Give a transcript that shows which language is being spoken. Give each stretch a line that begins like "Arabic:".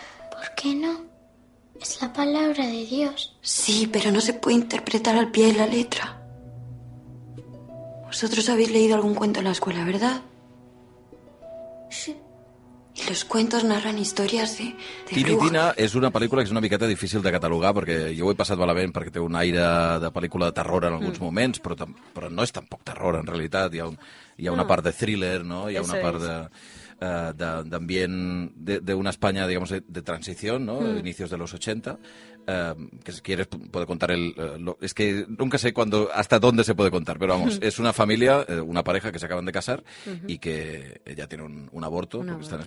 Spanish: ¿Por qué no? Es la palabra de Dios. Sí, pero no se puede interpretar al pie de la letra. Vosotros habéis leído algún cuento en la escuela, ¿verdad? Sí. Y los cuentos narran historias de
Catalan: Tiritina és una pel·lícula que és una miqueta difícil de catalogar perquè jo ho he passat malament perquè té un aire de pel·lícula de terror en alguns moments, però no és tampoc terror en realitat. Hi ha una part de thriller, no? Hi ha una part de...
Spanish: d'ambient de una España, digamos, de transición, ¿no? De inicios de los 80. Que si quieres puedo contar el... es que nunca sé cuándo, hasta dónde se puede contar, pero vamos, es una familia, una pareja que se acaban de casar y que ya tiene un aborto, una porque buena.